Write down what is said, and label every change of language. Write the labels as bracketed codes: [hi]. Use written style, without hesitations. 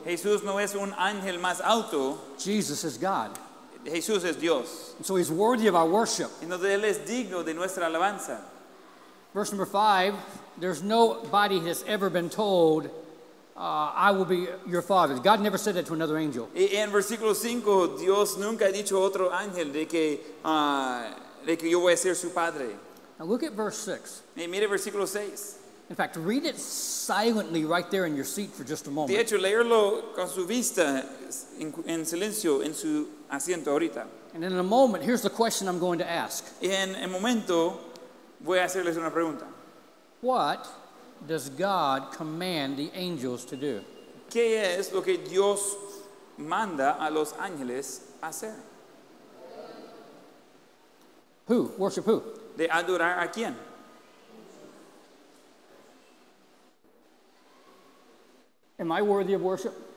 [es] Jesús no es un ángel más alto. [en] Jesus is God. [es] Jesús es Dios. [en] And so he's worthy of our worship. [es] Entonces él es digno de nuestra alabanza. [en] Verse number 5, there's nobody has ever been told, I will be your father. God never said that to another angel. [es] Y en versículo 5, Dios nunca ha dicho a otro ángel de que... De que yo voy a ser su padre. [en] Now look at verse 6. [es] Y mire versículo 6. [en] In fact, read it silently right there in your seat for just a moment. [es] De hecho, leerlo con su vista en silencio en su asiento ahorita. [en] And in a moment, here's the question I'm going to ask. [es] En el momento, voy a hacerles una pregunta. [en] What does God command the angels to do? [es] ¿Qué es lo que Dios manda a los ángeles hacer? [en] Who? Worship who? [es] De adorar a quién? [en] Am I worthy of worship?